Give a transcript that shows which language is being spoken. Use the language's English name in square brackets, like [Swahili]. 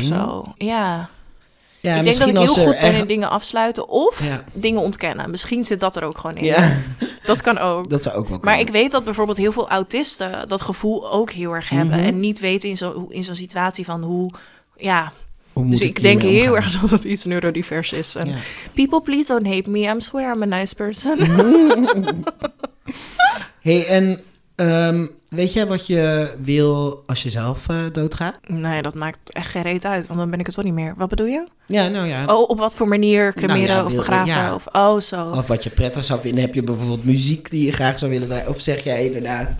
[Dutch] Ik kan niet omrouwen of zo, ja. Ik denk dat ik heel goed ben in dingen afsluiten of dingen ontkennen. Misschien zit dat er ook gewoon in. Ja. Dat kan ook. Dat zou ook wel kunnen. Maar ik weet dat bijvoorbeeld heel veel autisten dat gevoel ook heel erg hebben. Mm-hmm. En niet weten in zo'n situatie van hoe... Ja. Dus ik denk heel erg dat het iets neurodivers is. [English] En people, please don't hate me. I swear I'm a nice person. [Dutch] Hey, en weet jij wat je wil als je zelf doodgaat? Nee, dat maakt echt geen reet uit, want dan ben ik het toch niet meer. Wat bedoel je? Ja, nou ja. Oh, op wat voor manier? Cremeren of begraven? Of zo. Of wat je prettig zou vinden. Heb je bijvoorbeeld muziek die je graag zou willen draaien? Of zeg jij inderdaad...